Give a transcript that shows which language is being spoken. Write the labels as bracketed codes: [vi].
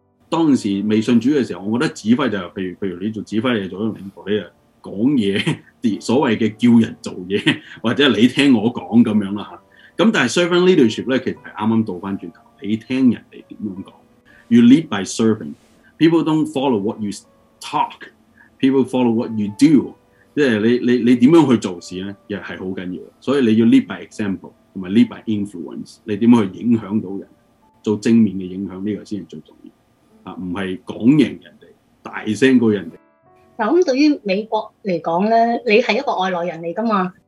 [yue] 当时未信主嘅时候，我觉得指挥就系、是，譬如你做指挥，你做咗领导，你啊讲嘢，所谓嘅叫人做嘢，或者你听我讲咁样啦吓。咁但系 servant leadership 咧，其实系啱啱倒翻转头，你听人哋点样讲。 [en] You lead by serving. People don't follow what you talk. People follow what you do. [yue] 即係你點樣去做事咧，又係好緊要。所以你要 [en] lead by example， [yue] 同埋 [en] lead by influence， [yue] 你點樣去影響到人，做正面嘅影響，呢個先係最重要。啊，唔係講贏人哋，大聲過人哋。嗱，咁對於美國嚟講咧，你係一個外來人嚟噶嘛？